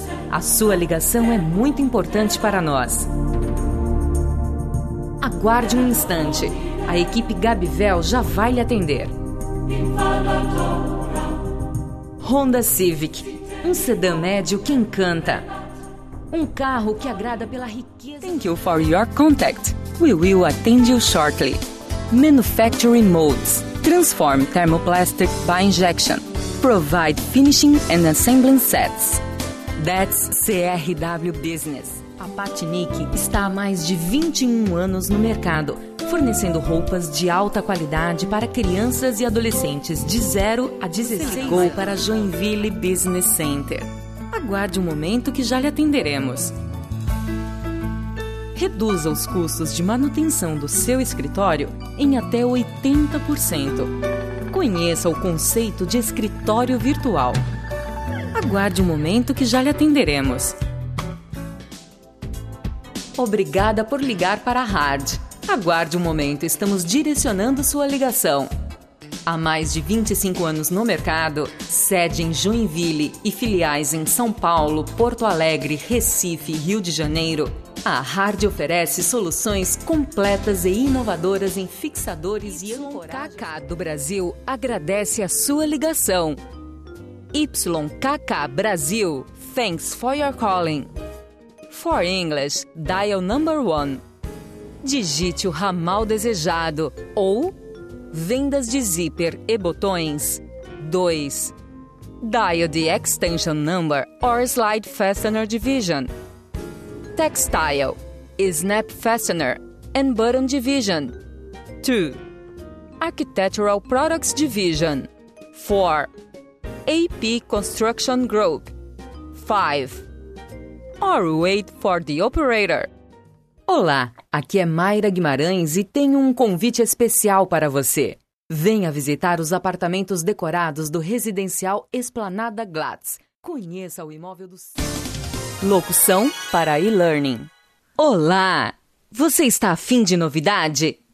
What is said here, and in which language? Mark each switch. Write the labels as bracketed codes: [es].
[pt] A sua ligação é muito importante para nós. Aguarde um instante, a equipe Gabivel já vai lhe atender. Honda Civic, um sedã médio que encanta. Um carro que agrada pela riqueza. [en] Thank you for your contact. We will attend you shortly. Manufacturing Modes. Transform thermoplastic by injection. Provide finishing and assembling sets. That's CRW Business. [pt] A Patnik está há mais de 21 anos no mercado, fornecendo roupas de alta qualidade para crianças e adolescentes de 0 a 16. Ligou para Joinville Business Center. Aguarde um momento que já lhe atenderemos. Reduza os custos de manutenção do seu escritório em até 80%. Conheça o conceito de escritório virtual. Aguarde um momento que já lhe atenderemos. Obrigada por ligar para a Hard. Aguarde um momento, estamos direcionando sua ligação. Há mais de 25 anos no mercado, sede em Joinville e filiais em São Paulo, Porto Alegre, Recife e Rio de Janeiro, a Hard oferece soluções completas e inovadoras em fixadores e ancoragem. KK do Brasil agradece a sua ligação. [en] YKK Brasil, thanks for your calling. For English, dial number one. [pt] Digite o ramal desejado ou vendas de zíper e botões. 2. [en] Dial the extension number or slide fastener division. Textile, snap fastener and button division. 2. Architectural products division. 4. AP construction group. 5. Or wait for the operator. [pt] Olá, aqui é Mayra Guimarães e tenho um convite especial para você. Venha visitar os apartamentos decorados do residencial Esplanada Glatz. Conheça o imóvel do... Locução para e-learning. Olá, você está afim de novidade?